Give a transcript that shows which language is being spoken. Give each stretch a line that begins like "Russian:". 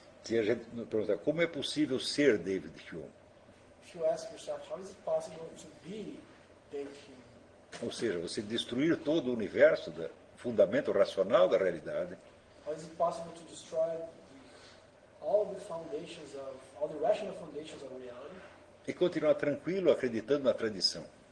Portuguese: A gente pergunta, como é possível ser David Hume?
English: If you ask yourself, how is it possible to be David Hume?
Portuguese: Ou seja, você destruir todo o universo, o fundamento racional da realidade.
English: How is it possible to destroy all the foundations of all the rational foundations of reality?
Portuguese: E continuar tranquilo, acreditando na tradição.